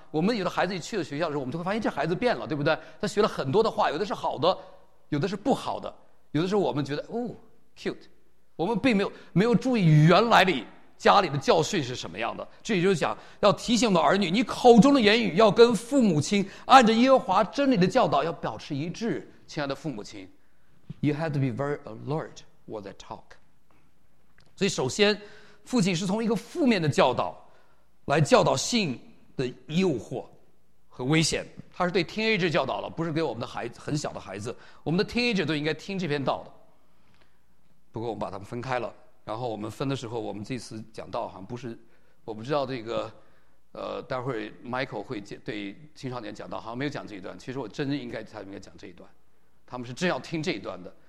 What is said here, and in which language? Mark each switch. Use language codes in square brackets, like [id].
[zh] 我们有的孩子一去了学校的时候，我们就会发现这孩子变了，对不对？他学了很多的话，有的是好的，有的是不好的，有的是我们觉得哦 cute， 我们并没有注意原来的家里的教训是什么样的。这也就是讲要提醒我的儿女，你口中的言语要跟父母亲按着耶和华真理的教导要保持一致。亲爱的父母亲， [en] You have to be very alert what they talk。 [zh] 所以首先父亲是从一个负面的教导来教导性的诱惑和危险，他是对 teenager 教导了，不是给我们的孩子，很小的孩子，我们的 teenager 都应该听这篇道的。不过我们把他们分开了，然后我们分的时候，我们这次讲道好像不是，我不知道这个，待会儿 Michael 会对青少年讲道，好像没有讲这一段。其实我真的应该，他应该讲这一段，他们是真要听这一段的。